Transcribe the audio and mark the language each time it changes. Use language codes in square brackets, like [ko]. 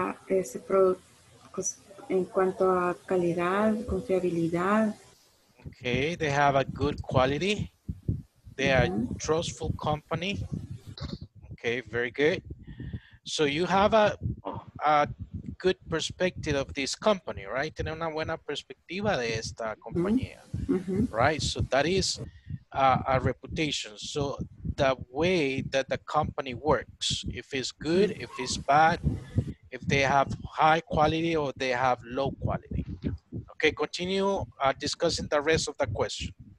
[es] Ese producto, en cuanto a calidad, confiabilidad. [en] Okay, they have a good quality. They are a trustful company. Okay, very good. So you have a good perspective of this company, right? [es] Tiene una buena perspectiva de esta compañía, right? [en] So that is a reputation. So the way that the company works, if it's good, if it's bad, if they have high quality or they have low quality, Okay, continue discussing the rest of the question.